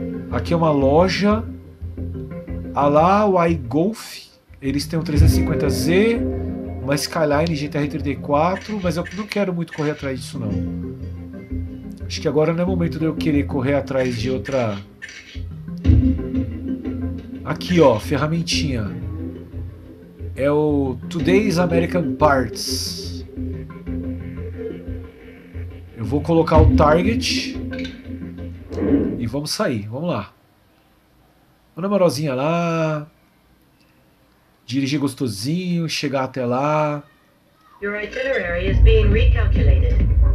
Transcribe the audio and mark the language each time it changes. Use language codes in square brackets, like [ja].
[pt] Aqui é uma loja. Ah lá, o iGolf. Eles têm um 350Z, uma Skyline GTR 34, mas eu não quero muito correr atrás disso, não. Acho que agora não é momento de eu querer correr atrás de outra... Aqui, ó, ferramentinha. É o Today's American Parts. Eu vou colocar o target e vamos sair, vamos lá. Uma namorosinha lá. Dirigir gostosinho, chegar até lá. [en] Your itinerary is being recalculated.